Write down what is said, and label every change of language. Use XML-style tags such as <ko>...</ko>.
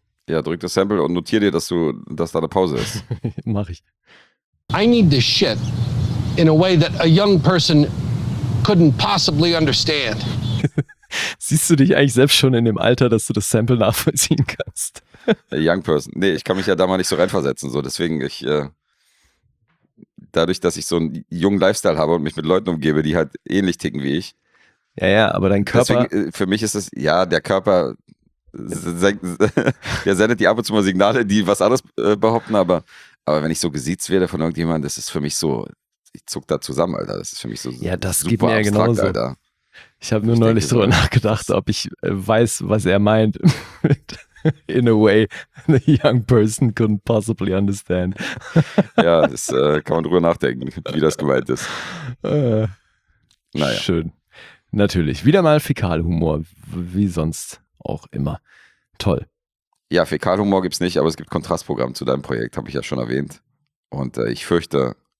<de>Ja, drück das Sample und notier dir, dass da eine Pause ist. Mach ich.</de> <en>I need this shit in a way that a young person couldn't possibly understand.</en> <de>Siehst du dich eigentlich selbst schon in dem Alter, dass du das Sample nachvollziehen kannst?</de> <en>A young person.</en> <de>Nee, ich kann mich ja da mal nicht so reinversetzen. So. Deswegen, ich... Dadurch, dass ich so einen jungen Lifestyle habe und mich mit Leuten umgebe, die halt ähnlich ticken wie ich. Ja, ja, aber dein Körper. Deswegen, für mich ist es, ja, der Körper der sendet die ab und zu mal Signale, die was anderes behaupten, aber wenn ich so gesiezt werde von irgendjemandem, das ist für mich so, ich zuck da zusammen, Alter, das ist für mich so. Ja, das super geht mir abstrakt, ja genauso. Alter. Ich habe nur neulich drüber nachgedacht, ob ich weiß, was er meint.</de> <en>In a way, a young person couldn't possibly understand.</en> <de>Ja, das kann man drüber nachdenken, wie das gemeint ist. Naja. Schön. Natürlich. Wieder mal Fäkalhumor, wie sonst auch immer. Toll. Ja, Fäkalhumor gibt es nicht, aber es gibt Kontrastprogramm zu deinem Projekt, habe ich ja schon erwähnt. Und ich fürchte,</de>